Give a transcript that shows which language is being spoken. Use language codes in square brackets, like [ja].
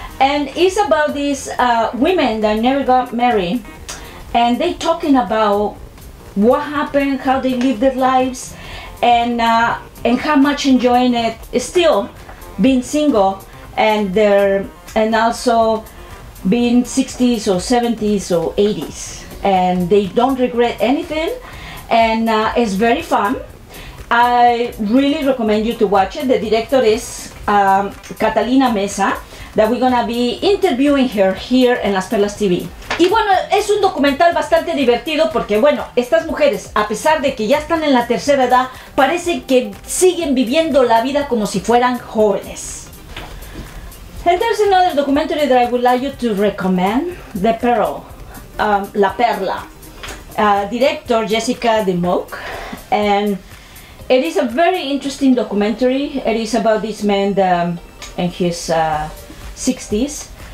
[en] And it's about these women that never got married, and they talking about what happened, how they lived their lives, and how much enjoying it still being single, and also being 60s or 70s or 80s, and they don't regret anything, and it's very fun. I really recommend you to watch it. The director is Catalina Mesa, that we're gonna be interviewing her here in Las Perlas TV. [es] Y bueno, es un documental bastante divertido porque, bueno, estas mujeres, a pesar de que ya están en la tercera edad, parece que siguen viviendo la vida como si fueran jóvenes. [en] And there's another documentary that I would like you to recommend, The Pearl, La Perla, director Jessica DeMock. And it is a very interesting documentary. It is about this man and his 60s.